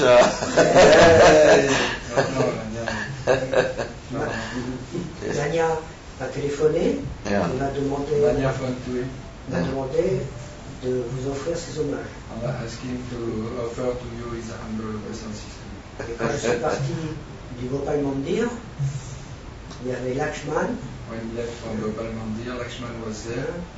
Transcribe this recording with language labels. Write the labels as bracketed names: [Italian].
[French] Mania a téléphoné. Il m'a demandé de vous offrir ses hommages. [English] I'm asking to offer to you his humble obeisances. [French] Quand je suis parti du Gopal Mandir, il y avait Lakshman. [English] When he left from Gopal Mandir, Lakshman was there.